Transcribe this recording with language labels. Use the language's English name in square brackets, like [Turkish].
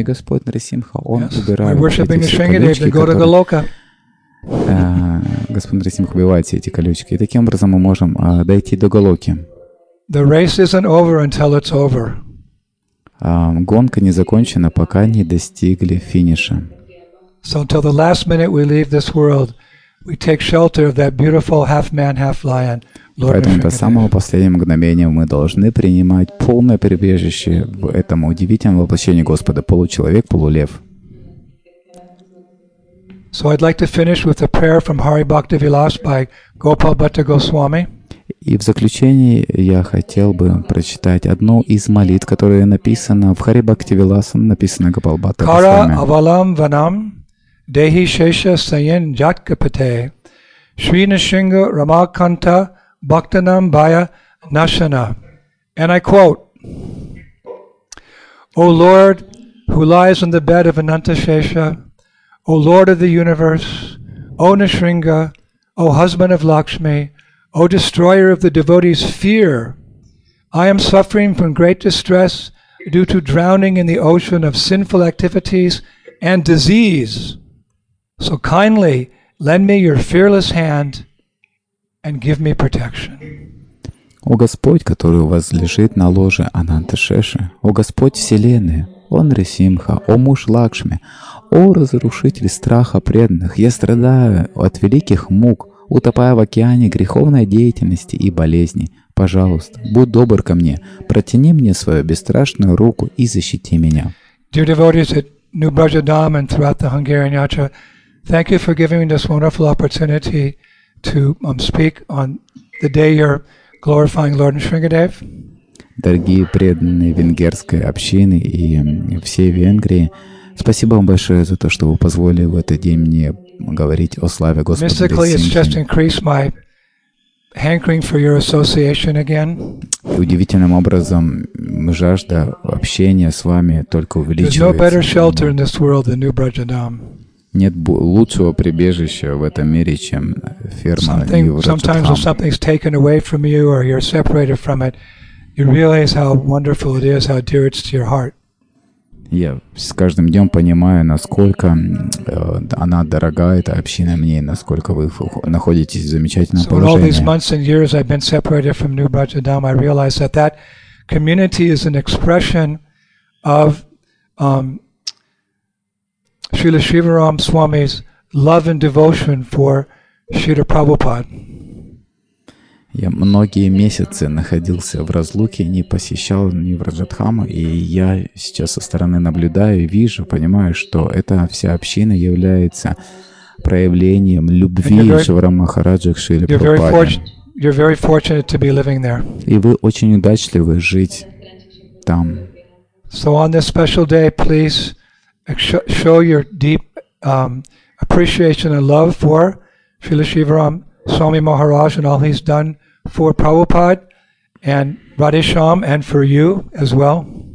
[Russian] И Господь Нарисимха, Он убирает эти все колючки, Господь Нарисимха убивает все эти колючки. И таким образом мы можем дойти до Голоки. [English] The race isn't over until it's over. [Russian] Гонка не закончена, пока не достигли финиша. [English] So until the last minute we leave this world, we take shelter of that beautiful half-man, half-lion, Lord Krishna. [Russian] Поэтому до самого последнего мгновения мы должны принимать полное прибежище в этом удивительном воплощении Господа, получеловек, полулев. [English] So I'd like to finish with a prayer from Hari Bhakti Vilas by Gopal Bhatta Goswami. [Russian] И в заключение я хотел бы прочитать одну из молитв, которая написана в Хари Бхакти Виласа, написана Гопал Бхатта Госвами. [Sanskrit] Кара авалам ванам дехи шеша саян джаткапате Шри Нрисимха Рамаканта Бхактанам Бая Нашана. [English] And I quote, O Lord, who lies on the bed of Ananta Shesha, O Lord of the universe, O Nrisimha, O husband of Lakshmi, O destroyer of the devotees' fear, I am suffering from great distress due to drowning in the ocean of sinful activities and disease. So kindly lend me your fearless hand and give me protection. [Russian] О Господь, который у вас лежит на ложе Ананта-Шеши, о Господь Вселенной, о Нрисимха, о муж Лакшми, о разрушитель страха преданных, я страдаю от великих мук, утопая в океане греховной деятельности и болезней. Пожалуйста, будь добр ко мне, протяни мне свою бесстрашную руку и защити меня. [English] Dear devotees at New Braja Dham and throughout the Hungarian Yatra, thank you for giving me this wonderful opportunity to speak on the day you're glorifying Lord Nrisimhadev. [Russian] Дорогие преданные венгерской общины и всей Венгрии, спасибо вам большое за то, что вы позволили в этот день мне говорить о славе Господа. [English] Mystically, it's just increased my hankering for your association again. [Russian] И удивительным образом жажда общения с вами только увеличивается. [English] There's no better shelter in this world than New Braja Dham. [Russian] Нет лучшего прибежища в этом мире, чем ферма New Braja Dham. [English] Sometimes when something's taken away from you or you're separated from it, you realize how wonderful it is, how dear it's to your heart. [Russian] Я с каждым днем понимаю, насколько она дорога, эта община мне, насколько вы находитесь в замечательном положении. [English] So all these months and years I've been separated from New Braja Dham, I realize that that community is an expression of Srila Sivaram Swami's love and devotion for Srila Prabhupada. [Russian] Я многие месяцы находился в разлуке, не посещал ни Браджа Дхаму, и я сейчас со стороны наблюдаю и вижу, понимаю, что эта вся община является проявлением любви Шиварама Махараджа к Шриле Прабхупаде. И вы очень удачливы жить там. [English] So on this special day, please show your deep appreciation and love for Srila Sivaram Swami Maharaj and all he's done for Prabhupada and Radhisham and for you as well.